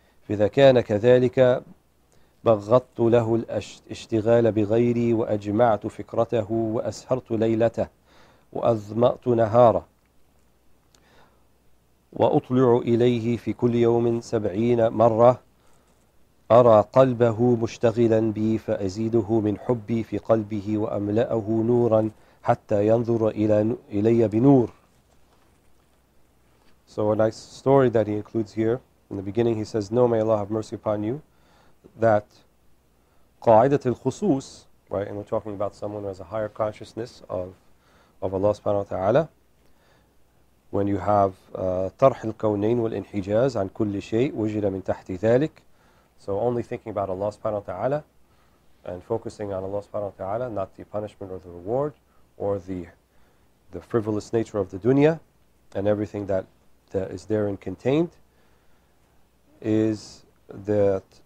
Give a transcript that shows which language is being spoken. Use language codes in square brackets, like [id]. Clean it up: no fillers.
[ar] فإذا كان كذلك بغضت له الاشتغال بغيري، وأجمعت فكرته، وأسهرت ليلته، وأظمأت نهاره، وأطلع إليه في كل يوم 70 مرة، أرى قلبه مشتغلا بي، فأزيده من حبي في قلبه، وأملأه نورا حتى ينظر إلي بنور. [en] So a nice story that he includes here. In the beginning he says, No, may Allah have mercy upon you, that [ar] قاعدة الخصوص, [en] right, and we're talking about someone who has a higher consciousness of Allah subhanahu wa ta'ala. When you have [ar] طرح الكونين والانحجاز عن كل شيء وجد من تحت ذلك. [en] So only thinking about Allah subhanahu wa ta'ala and focusing on Allah subhanahu wa ta'ala, not the punishment or the reward, or the frivolous nature of the dunya and everything that is therein contained, is that